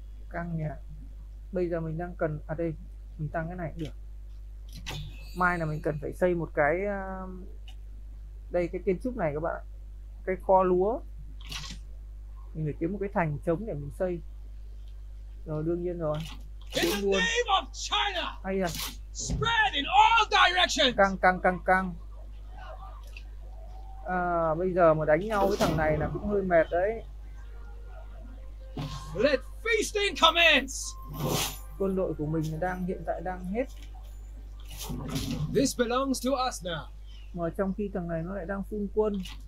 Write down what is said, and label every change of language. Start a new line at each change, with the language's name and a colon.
Vietnamese: Căng nhỉ. Bây giờ mình đang cần, à đây, mình tăng cái này cũng được. Mai là mình cần phải xây một cái, đây cái kiến trúc này các bạn, cái kho lúa. Mình phải kiếm một cái thành trống để mình xây. Rồi đương nhiên rồi, luôn.
English: In the name of China.
Vietnamese: Hay rồi.
English: Spread in all directions.
Vietnamese: Căng căng căng căng. À, bây giờ mà đánh nhau với thằng này là cũng hơi mệt đấy.
English: Let feasting commence.
Vietnamese: Quân đội của mình đang hiện tại đang hết.
English: This belongs to us now.
Vietnamese: Mà trong khi thằng này nó lại đang phun quân.